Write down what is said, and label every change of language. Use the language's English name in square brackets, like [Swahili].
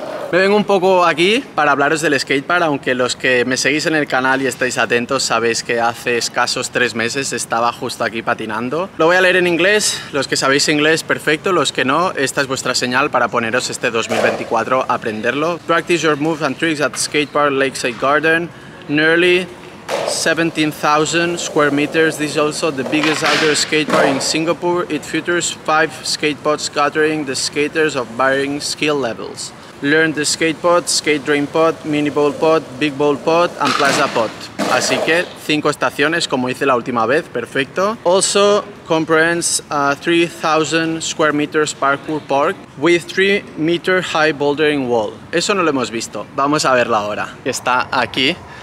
[Spanish] Me vengo un poco aquí para hablaros del skatepark, aunque los que me seguís en el canal y estáis atentos sabéis que hace escasos 3 meses estaba justo aquí patinando. Lo voy a leer en inglés, los que sabéis inglés, perfecto, los que no, esta es vuestra señal para poneros este 2024 a aprenderlo. [English] Practice your moves and tricks at skatepark Lakeside Garden, nearly 17,000 square meters. This is also the biggest outdoor skate park in Singapore. It features 5 skate pods gathering the skaters of varying skill levels. Learn the skate pod, skate dream pod, mini bowl pod, big bowl pod and plaza pod. [Spanish] Así que 5 estaciones como hice la última vez, perfecto. [English] Also comprehends a 3,000 square meters parkour park with 3 meter high bouldering wall. [Spanish] Eso no lo hemos visto, vamos a verla ahora. Está aquí.